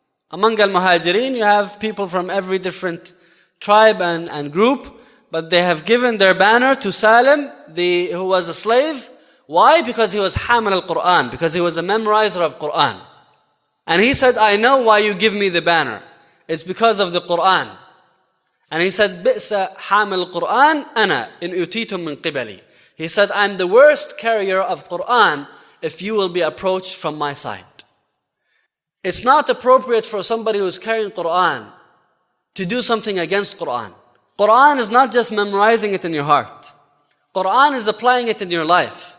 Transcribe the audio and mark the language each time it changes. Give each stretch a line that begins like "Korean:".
English: Among al-Muhajirin, you have people from every different tribe and group, but they have given their banner to Salim, who was a slave. Why? Because he was Hamil al-Qur'an, because he was a memorizer of Qur'an. And he said, I know why you give me the banner. It's because of the Qur'an. And he said,
Arabic: بِئْسَ حَامِلْ الْقُرْآنِ أَنَا إِنْ أُوتِيتُمْ مِنْ قِبَلِي.
English: He said, I'm the worst carrier of Qur'an if you will be approached from my side. It's not appropriate for somebody who is carrying Qur'an to do something against Qur'an. Qur'an is not just memorizing it in your heart. Qur'an is applying it in your life.